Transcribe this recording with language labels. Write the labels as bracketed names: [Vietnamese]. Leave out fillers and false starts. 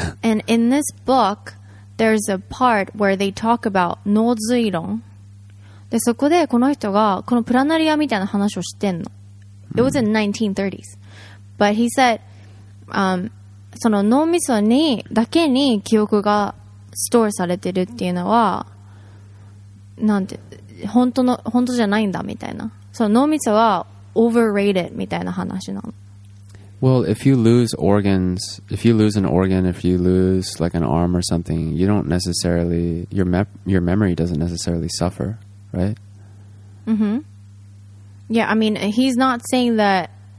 [English] And in this book, there's a part where they talk about 脳髄論。 [Japanese] で、そこでこの人がこのプラナリアみたいな話をしてんの。 [English] It was in 1930s. But he said, [Japanese] その脳みそにだけに記憶がストアされてるっていうのはなんて本当の本当じゃないんだみたいな。その脳みそは overrated みたいな話なの。 [English] Well, if you lose organs, if you lose an organ, if you lose like an arm or something, you don't necessarily your memory doesn't necessarily suffer, right? Mm-hmm. Yeah, I mean, he's not saying that.